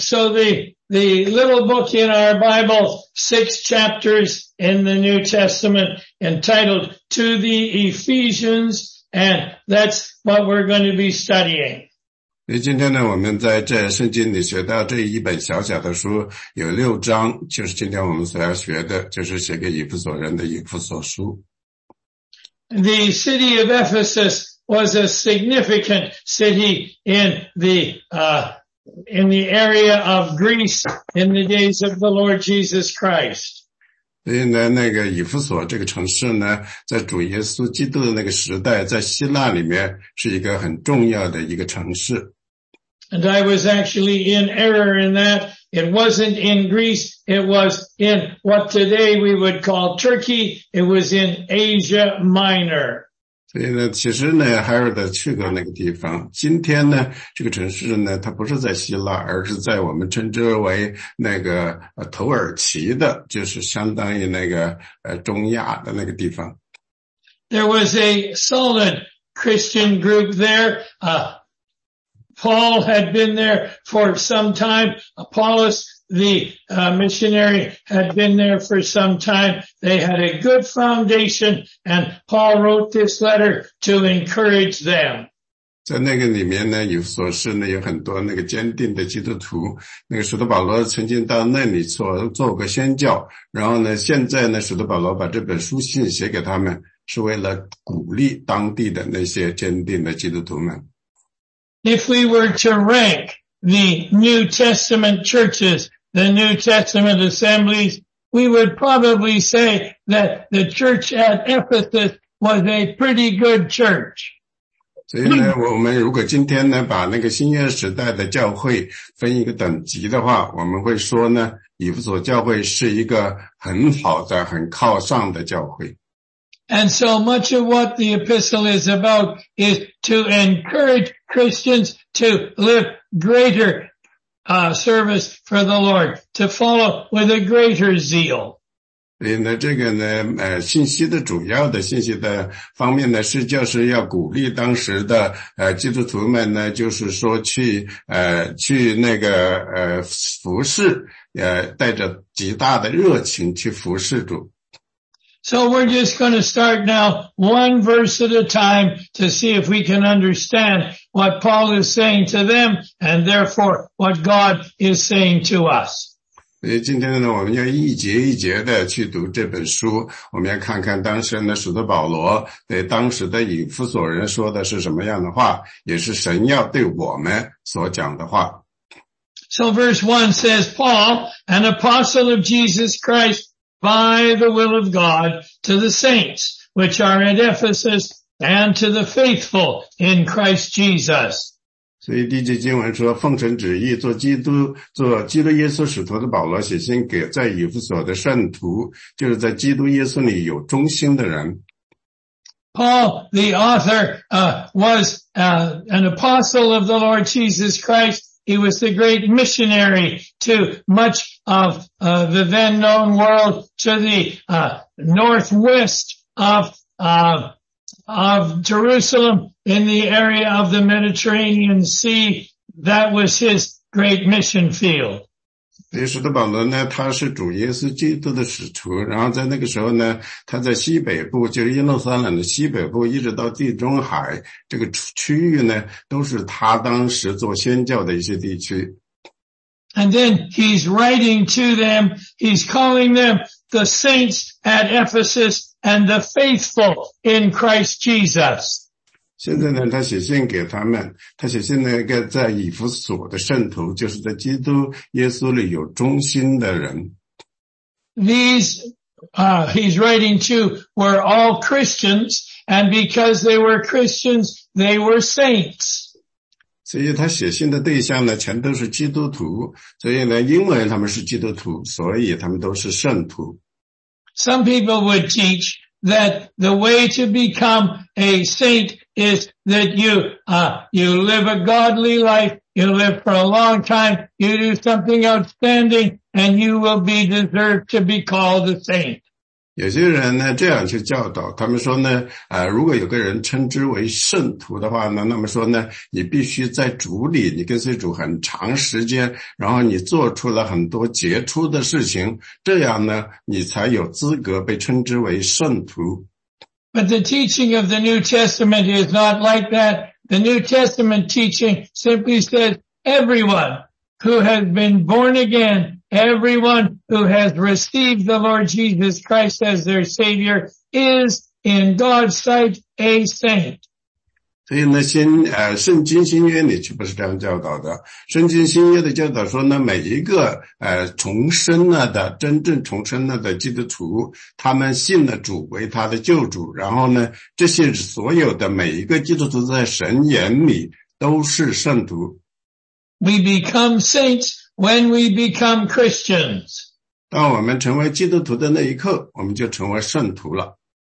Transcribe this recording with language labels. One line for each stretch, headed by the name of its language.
English: So the little book in our Bible, six chapters in the New Testament, entitled To the Ephesians, and that's what we're going to be studying.
Chinese: 今天呢我们在圣经里学到这一本小小的书有六章，就是今天我们所要学的，就是写给以弗所人的以弗所书。
English: The city of Ephesus was a significant city in the area of Greece in the days of the Lord Jesus Christ.
Chinese: 所以呢，那个以弗所这个城市呢，在主耶稣基督的那个时代，在希腊里面是一个很重要的一个城市。
English: And I was actually in error in that. It wasn't in Greece. It was in what today we would call Turkey. It was in Asia Minor.
Chinese: 所以呢，其实呢，海尔德去过那个地方。今天呢，这个城市呢，它不是在希腊，而是在我们称之为那个土耳其的，就是相当于那个中亚的那个地方。
English: There was a solid Christian group there. Paul had been there for some time. Apollos, the missionary, had been there for some time. They had a good foundation, and Paul wrote this letter to encourage them.
Chinese: 在那个里面呢，以弗所是呢有很多那个坚定的基督徒。那个使徒保罗曾经到那里做过宣教，然后呢，现在呢，使徒保罗把这本书信写给他们，是为了鼓励当地的那些坚定的基督徒们。
English: If we were to rank the New Testament churches, the New Testament assemblies, we would probably say that the church at Ephesus was a pretty good church.
Chinese: 所以呢，我们如果今天呢，把那个新约时代的教会分一个等级的话，我们会说呢，以弗所教会是一个很好的、很靠上的教会。
English: And so much of what the epistle is about is to encourage Christians to live greater service for the Lord, to follow with a greater zeal.
Chinese: 所以呢，这个呢，信息的主要的信息的方面呢，是就是要鼓励当时的基督徒们呢，就是说去那个服侍，带着极大的热情去服侍主。
English: So we're just going to start now one verse at a time to see if we can understand what Paul is saying to them and therefore what God is saying to us.
Chinese: 所以今天呢，我们要一节一节的去读这本书，我们要看看当时呢，使徒保罗对当时的以弗所人说的是什么样的话，也是神要对我们所讲的话。
English: So verse 1 says, Paul, an apostle of Jesus Christ,By the will of God to the saints which are at Ephesus and to the faithful in Christ Jesus.
Chinese: 所以第一节经文说，奉神旨意做基督做基督耶稣使徒的保罗写信给在以弗所的圣徒，就是在基督耶稣里有忠心的人。
English: Paul, the author, was an apostle of the Lord Jesus Christ. He was the great missionary to much of the then known world, to the northwest of Jerusalem in the area of the Mediterranean Sea. That was his great mission field.
Chinese: 所以使徒保罗呢，他是主耶稣基督的使徒，然后在那个时候呢，他在西北部，就是耶路撒冷的西北部一直到地中海这个区域呢，都是他当时做宣教的一些地区。
English: And then he's writing to them, he's calling them the saints at Ephesus and the faithful in Christ Jesus.
Chinese: 现在呢，他写信给他们，他写信那个在以弗所的圣徒，就是在基督耶稣里有忠心的人。
English: These he's writing to were all Christians, and because they were Christians, they were saints.
Chinese: 所以他写信的对象呢，全都是基督徒，所以呢，因为他们是基督徒，所以他们都是圣徒。
English: Some people would teach that the way to become a saint. Is that you live a godly life, you live for a long time, you do something outstanding, and you will be deserved to be called a saint.
Chinese: 有些人呢这样去教导，他们说呢，如果有个人称之为圣徒的话呢，那么说呢，你必须在主里，你跟随主很长时间，然后你做出了很多杰出的事情，这样呢，你才有资格被称之为圣徒。
English: But the teaching of the New Testament is not like that. The New Testament teaching simply says everyone who has been born again, everyone who has received the Lord Jesus Christ as their Savior is in God's sight a saint.
Chinese: 所以呢圣经新约里却不是这样教导的。圣经新约的教导说呢，每一个重生了的，真正重生了的基督徒，他们信了主为他的救主，然后呢这些所有的每一个基督徒在神眼里都是圣徒。
English: We become saints when we become Christians.
Chinese: 当我们成为基督徒的那一刻，我们就成为圣徒了。